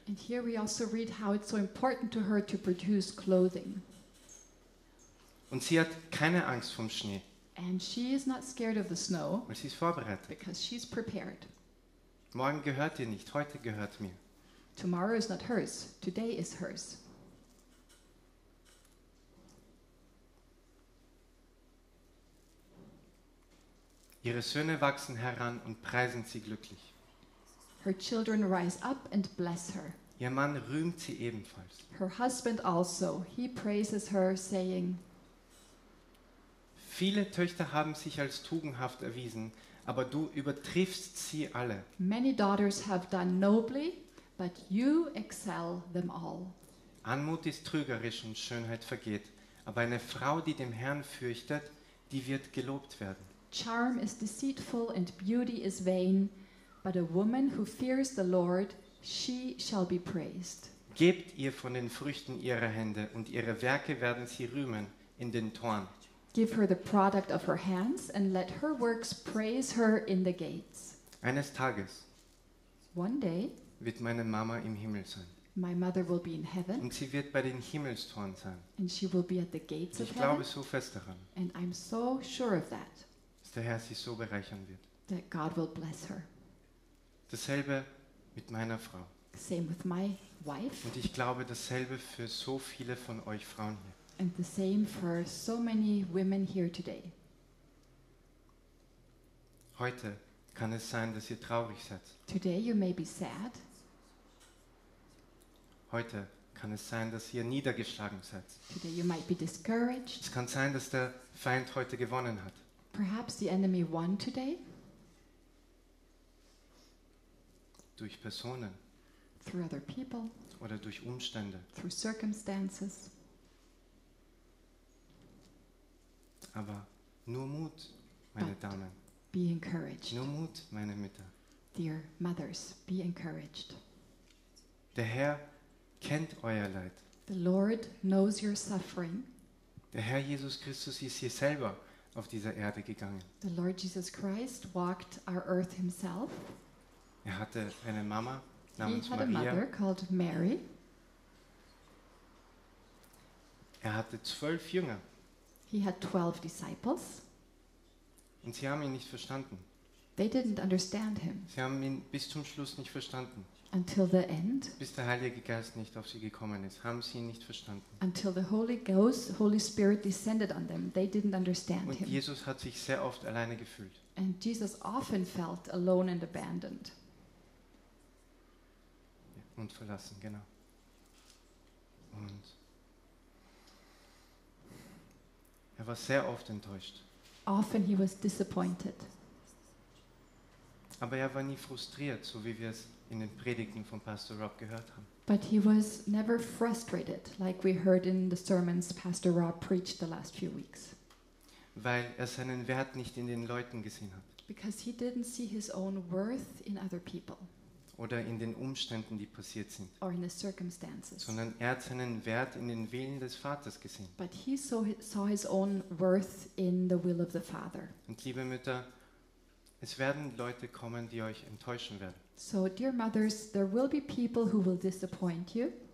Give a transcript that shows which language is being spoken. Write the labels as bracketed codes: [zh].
[en] And here we also read how it's so important to her to produce clothing. [de] Und sie hat keine Angst vom Schnee. [en] And she is not scared of the snow. [de] Weil sie ist vorbereitet. [en] Because she's prepared. [de] Morgen gehört ihr nicht, heute gehört mir. [en] Tomorrow is not hers, today is hers. [de] Ihre Söhne wachsen heran und preisen sie glücklich. [en] Her children rise up and bless her. [de] Ihr Mann rühmt sie ebenfalls. [en] Her husband also, he praises her, saying, [de] viele Töchter haben sich als tugendhaft erwiesen, aber du übertriffst sie alle. [en] Many daughters have done nobly, but you excel them all. [de] Anmut ist trügerisch und Schönheit vergeht, aber eine Frau, die dem Herrn fürchtet, die wird gelobt werden. [en] Charm is deceitful and beauty is vain, but a woman who fears the Lord, she shall be praised. [de] Gebt ihr von den Früchten ihrer Hände und ihre Werke werden sie rühmen in den Toren. [en] Give her the product of her hands and let her works praise her in the gates. [de] Eines Tages, [en] one day, [de] wird meine Mama im Himmel sein. [en] My mother will be in heaven. [de] Und sie wird bei den Himmelstoren sein. [en] And she will be at the gates of heaven. [de] Ich glaube so fest daran. [en] And I'm so sure of that. [de] Der Herr sie so bereichern wird. [en] That God will bless her. [de] Dasselbe mit meiner Frau. [en] Same with my wife. [de] Und ich glaube dasselbe für so viele von euch Frauen hier. [en] And the same for so many women here today. [de] Heute kann es sein, dass ihr traurig seid. [en] Today you may be sad. [de] Heute kann es sein, dass ihr niedergeschlagen seid. [en] Today you might be discouraged. [de] Es kann sein, dass der Feind heute gewonnen hat. [en] Perhaps the enemy won today. [de] Durch Personen. [en] Through other people. [de] Oder durch Umstände. [en] Through circumstances. [de] Aber nur Mut, meine Damen. [en] Be encouraged. [de] Nur Mut, meine Mütter. [en] Dear mothers, be encouraged. [de] Der Herr kennt euer Leid. [en] The Lord knows your suffering. [de] Der Herr Jesus Christus ist hier selber auf dieser Erde gegangen. [en] The Lord Jesus Christ walked our earth himself. [de] Er hatte eine Mama namens Maria. [en] He had a mother called Mary. [de] Er hatte 12 Jünger. [en] He had 12 disciples. [de] Und sie haben ihn nicht verstanden. [en] They didn't understand him. [de] Sie haben ihn bis zum Schluss nicht verstanden. [en] Until the end. [de] Bis der Heilige Geist nicht auf sie gekommen ist, haben sie ihn nicht verstanden. [en] Until the Holy Ghost, Holy Spirit descended on them, they didn't understand him. [de] Und Jesus hat sich sehr oft alleine gefühlt. [en] And Jesus often felt alone and abandoned. [de] Ja, und verlassen, genau. Und er war sehr oft enttäuscht. [en] Often he was disappointed. [de] Aber er war nie frustriert, so wie wir es in den Predigten von Pastor Rob gehört haben. [en] But he was never frustrated, like we heard in the sermons Pastor Rob preached the last few weeks. [de] Weil er seinen Wert nicht in den Leuten gesehen hat. [en] Because he didn't see his own worth in other people. [de] Oder in den Umständen, die passiert sind. [en] Or in the circumstances. [de] Sondern er hat seinen Wert in den Willen des Vaters gesehen. [en] But he saw his own worth in the will of the Father. [de] Und liebe Mütter, es werden Leute kommen, die euch enttäuschen werden. [en] So, dear mothers, there will be people who will disappoint you.